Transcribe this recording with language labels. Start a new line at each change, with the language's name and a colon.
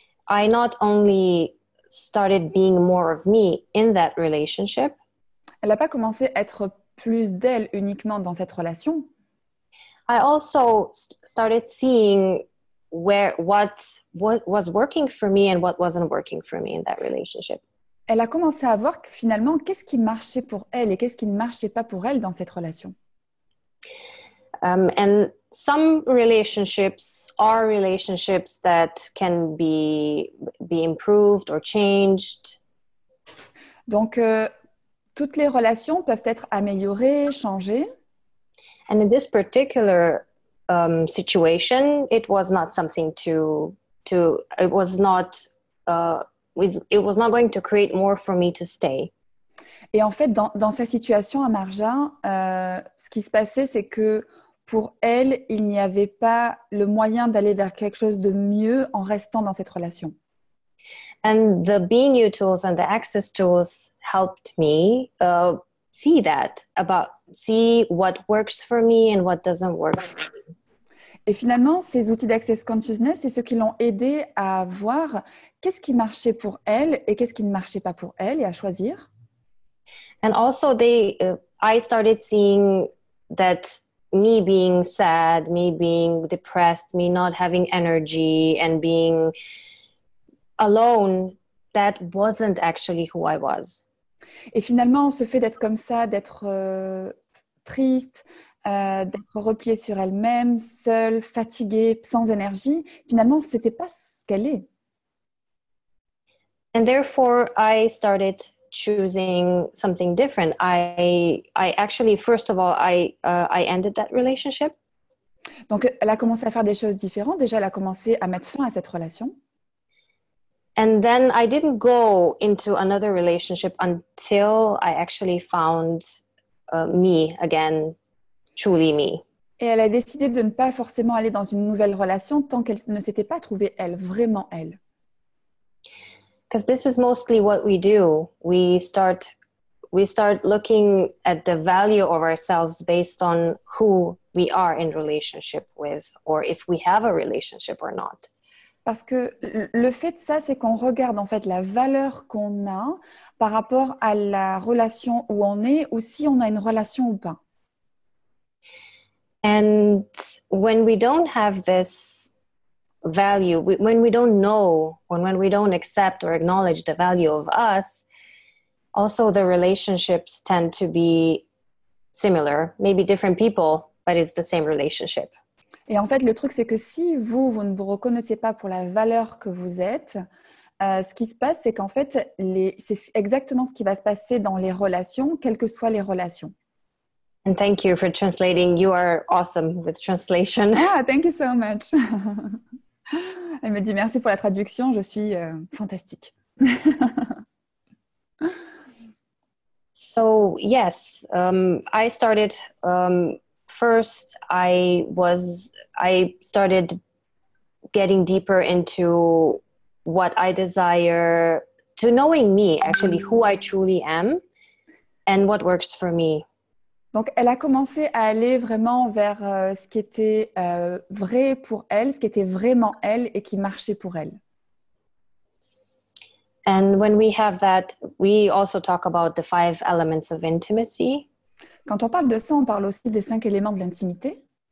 English: I not only started being more of me in that relationship,
French: elle n'a pas commencé à être plus d'elle uniquement dans cette relation.
English: I also started seeing what was working for me and what wasn't working for me in that relationship.
French: Elle a commencé à voir que finalement, qu'est-ce qui marchait pour elle et qu'est-ce qui ne marchait pas pour elle dans cette relation.
English: And some relationships are relationships that can be improved or changed.
French: Donc, toutes les relations peuvent être améliorées, changées.
English: And in this particular situation, it was not something to it was not it was not going to create more for me to stay.
French: Et en fait, dans sa situation à Marja, ce qui se passait, c'est que pour elle, il n'y avait pas le moyen d'aller vers quelque chose de mieux en restant dans cette relation.
English: And the Being You tools and the Access tools helped me see that, about see what works for me and what doesn't work for me.
French: Et finalement, ces outils d'Access Consciousness, c'est ceux qui l'ont aidée à voir qu'est-ce qui marchait pour elle et qu'est-ce qui ne marchait pas pour elle et à choisir.
English: And also, I started seeing that me being sad, me being depressed, me not having energy and being alone, that wasn't actually who I was.
French: Et finalement, ce fait d'être comme ça, d'être triste, d'être repliée sur elle-même, seule, fatiguée, sans énergie. Finalement, ce n'était pas ce qu'elle est.
English: And therefore, I started choosing something different. I actually, first of all, I ended that relationship.
French: Donc, elle a commencé à faire des choses différentes. Déjà, elle a commencé à mettre fin à cette relation.
English: And then I didn't go into another relationship until I actually found me again. Truly me.
French: Et elle a décidé de ne pas forcément aller dans une nouvelle relation tant qu'elle ne s'était pas trouvée elle, vraiment elle.
English: Because this is mostly what we do. We start looking at the value of ourselves based on who we are in relationship with, or if we have a relationship or not.
French: Parce que le fait de ça, c'est qu'on regarde en fait la valeur qu'on a par rapport à la relation où on est, ou si on a une relation ou pas.
English: And when we don't have this value, when we don't know, or when we don't accept or acknowledge the value of us, also the relationships tend to be similar, maybe different people, but it's the same relationship.
French: Et en fait, le truc, c'est que si vous, vous ne vous reconnaissez pas pour la valeur que vous êtes, ce qui se passe, c'est qu'en fait, c'est exactement ce qui va se passer dans les relations, quelles que soient les relations.
English: And thank you for translating. You are awesome with translation. Ah, thank you so much.
French: Elle me dit merci pour la traduction, je suis fantastique.
English: So, yes, I started... First, I started getting deeper into what I desire, to knowing me, actually, who I truly am and what works for me.
French: Donc, elle a commencé à aller vraiment vers ce qui était vrai pour elle, ce qui était vraiment elle et qui marchait pour elle.
English: And when we have that, we also talk about the five elements of intimacy.
French: Quand on parle de ça, on parle aussi des cinq éléments de l'intimité.